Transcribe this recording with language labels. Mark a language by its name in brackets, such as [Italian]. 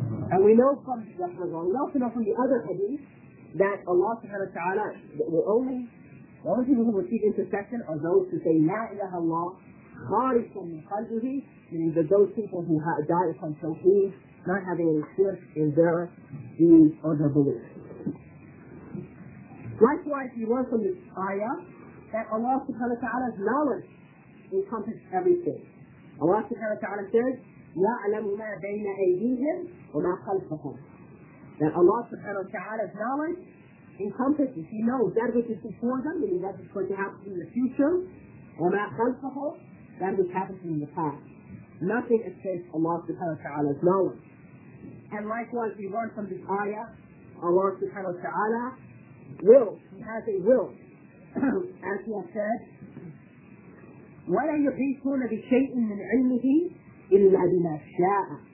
[English] And we know from the Quran, we also know from the other hadith that Allah subhanahu wa ta'ala, the only people who receive intercession are those who say, [Arabic] La ilaha Allah, kharifun min qalbihi, [English] meaning that those people who die from tawheed, not having any shirk in their deeds or their beliefs. Likewise, we learn from this ayah that Allah subhanahu wa ta'ala's knowledge encompasses everything. Allah subhanahu wa ta'ala says, [Arabic] يَعْلَمُ مَا بَيْنَ أَيْدِيهِمْ وَمَا خَلْفَهُمْ. [English] That Allah subhanahu wa ta'ala's knowledge encompasses, He knows that which is before them, meaning that is going to happen in the future, [Arabic] وَمَا خَلْفَهُمْ, [English] that which happens in the past. Nothing escapes Allah subhanahu wa ta'ala's knowledge. And likewise, we learn from this ayah, Allah subhanahu wa ta'ala will, He has a will, as He has said, [Arabic] وَلَا يُحِيطُونَ بِشَيْءٍ مِّنْ عِلْمِهِ إِلَّا بِمَا شَاءَ.